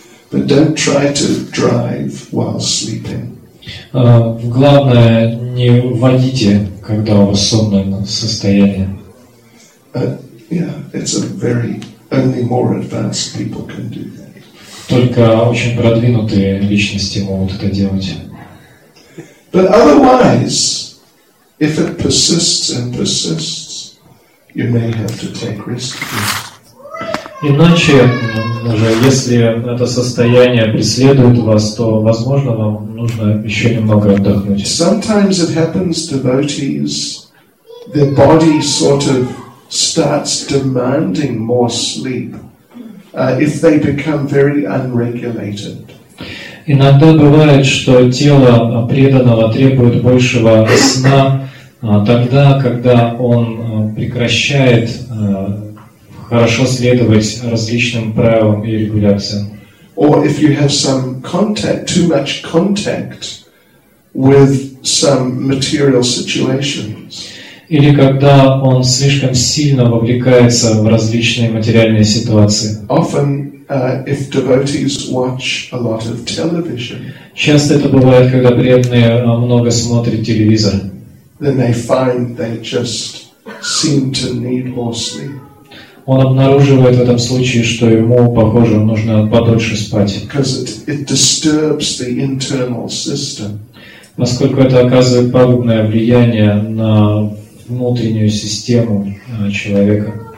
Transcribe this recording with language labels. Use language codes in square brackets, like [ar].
[en] But don't try to drive while sleeping. [ru] Главное, не водите, когда у вас сонное состояние. [en] It's a very only more advanced people can do that. [ru] Только очень продвинутые личности могут это делать. [en] But otherwise, if it persists and persists, you may have to take risks. [ru] Иначе, даже если это состояние преследует вас, то, возможно, вам нужно еще немного отдохнуть. [en] Sometimes it happens, devotees, their body sort of starts demanding more sleep if they become very unregulated. [ru] Иногда бывает, что тело преданного требует большего сна тогда, когда он прекращает хорошо следовать различным правилам и регуляциям. [en] Or if you have some contact, too much contact with some material situations. [ru] Или когда он слишком сильно вовлекается в различные материальные ситуации. [en] Often, if devotees watch a lot of television. [ru] Часто это бывает, когда преданные много смотрят телевизор. [en] Then they find they just seem to need more sleep. [ru] Он обнаруживает в этом случае, что ему, похоже, нужно подольше спать. [en] Because it disturbs the internal system. [ru] Поскольку это оказывает пагубное влияние на внутреннюю систему человека.